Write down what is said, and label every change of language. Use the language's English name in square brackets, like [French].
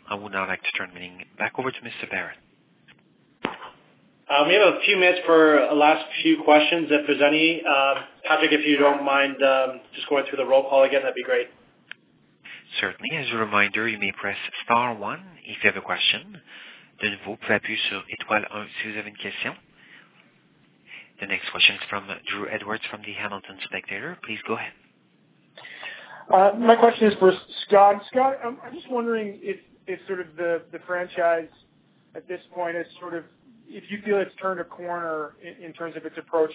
[English] I would now like to turn the meeting back over to Mr. Barrett. We have a few minutes for a last few questions, if there's any. Patrick, if you don't mind just going through the roll call again, that'd be great. Certainly. As a reminder, you may press star 1 if you have a question. [French] De nouveau, vous pouvez appuyer sur étoile 1 si vous avez une question. [English] The next question is from Drew Edwards from the Hamilton Spectator. Please go ahead. My question is for Scott. Scott, I'm just wondering if sort of the franchise at this point is sort of, if you feel it's turned a corner in terms of its approach.